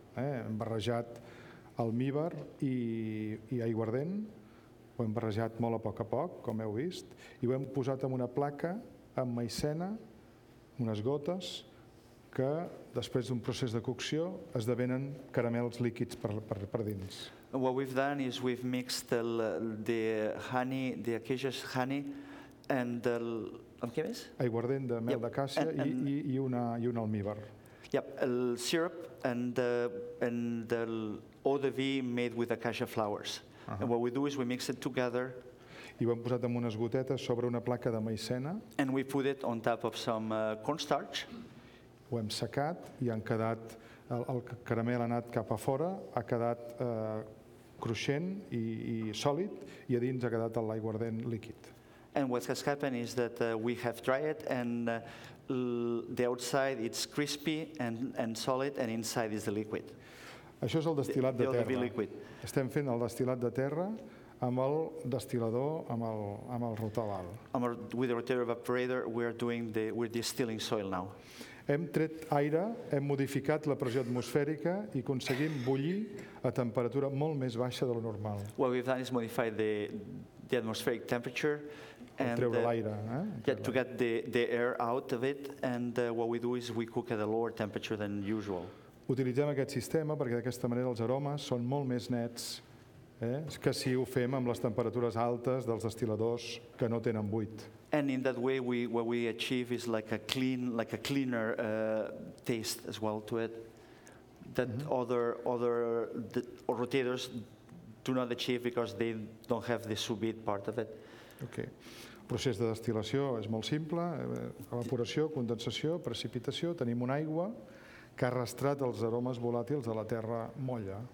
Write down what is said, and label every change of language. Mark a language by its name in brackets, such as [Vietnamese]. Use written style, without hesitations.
[Catalan] Hem barrejat almíbar i aiguardent, ho hem barrejat molt a poc, com heu vist, i ho hem posat en una placa amb maicena, unes gotes, que després d'un procés de cocció esdevenen caramels líquids per dins. [English] What we've done is we've mixed the honey, the acacia honey, and the... [Catalan] què més? Aiguardent de mel d'acàcia i un almíbar. [English] Yep, el syrup and the eau de vie made with acacia flowers. Uh-huh. And what we do is we mix it together. [Catalan] I ho hem posat en unes gotetes sobre una placa de maicena. [English] And we put it on top of some cornstarch. [Catalan] Ho hem secat i han quedat, el caramel ha anat cap a fora, ha quedat cruixent i sòlid, i a dins ha quedat l'aiguardent líquid. [English] And what has happened is that we have dried it and the outside it's crispy and solid and inside is the liquid. [Catalan] Això és el destilat de terra. Estem fent el destilat de terra amb el destilador, amb el rotaval. [English] With the rotary evaporator we're distilling soil now. [Catalan] Hem tret aire, hem modificat la pressió atmosfèrica i aconseguim bullir a temperatura molt més baixa de lo normal. [English] What we've done is modify the atmospheric temperature and [Catalan] treure l'aire, [English] To get the air out of it, and what we do is we cook at a lower temperature than usual. [Catalan] Utilitzem aquest sistema perquè d'aquesta manera els aromes són molt més nets, que si ho fem amb les temperatures altes dels destiladors que no tenen buit. [English] And in that way what we achieve is like a cleaner taste as well to it that mm-hmm. other rotators do not achieve because they don't have the sous-vide part of it. Okay. [Catalan] Procés de destilació és molt simple, evaporació, condensació, precipitació, tenim una aigua que ha arrastrat els aromes volàtils de la terra molla.